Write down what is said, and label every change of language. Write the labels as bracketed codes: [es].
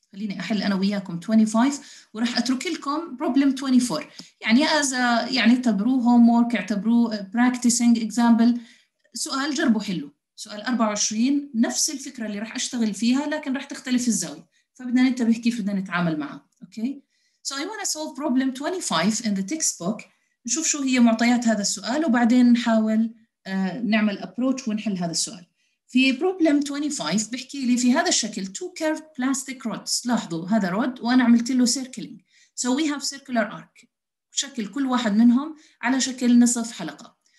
[ar] خليني أحل أنا وياكم 25 وراح أترك لكم problem 24. يعني يعني اعتبروه homework، اعتبروه [en] practicing example، [ar] سؤال جربوا حلو. سؤال 24 نفس الفكرة اللي راح أشتغل فيها لكن راح تختلف الزاوية، فبدنا ننتبه كيف بدنا نتعامل معها. [en] Okay. So I wanna solve problem 25 in the textbook. [ar] نشوف شو هي معطيات هذا السؤال وبعدين نحاول نعمل approach ونحل هذا السؤال. في problem 25 بحكي لي في هذا الشكل [en] two curved plastic rods. [ar] لاحظوا هذا رود وأنا عملت له circling. [en] So we have circular arc. [ar] شكل كل واحد منهم على شكل نصف حلقة.